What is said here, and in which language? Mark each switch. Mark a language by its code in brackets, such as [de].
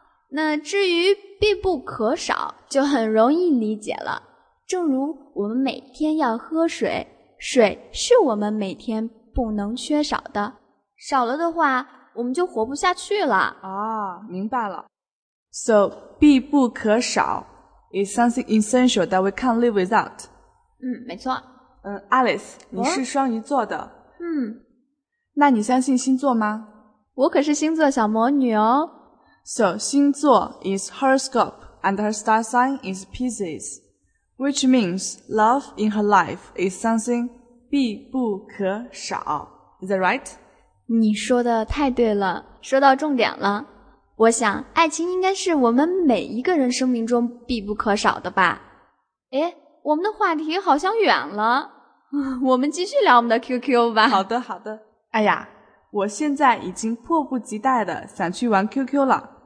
[zh] 那至于必不可少就很容易理解了。正如我们每天要喝水，水是我们每天不能缺少的。少了的话，我们就活不下去了。啊，明白了。 [en] So, 必不可少 is something essential that we can't live without. [zh] 没错。 Alice, 你是双鱼座的。嗯。那你相信星座吗？我可是星座小魔女哦。 [en] So, 星座 is horoscope and her star sign is Pisces, which means love in her life is something 必不可少。 Is that right? [zh] 你说的太对了，说到重点了。我想爱情应该是我们每一个人生命中必不可少的吧。诶，我们的话题好像远了，我们继续聊我们的 QQ 吧。好的好的。哎呀，我现在已经迫不及待的想去玩 QQ 了。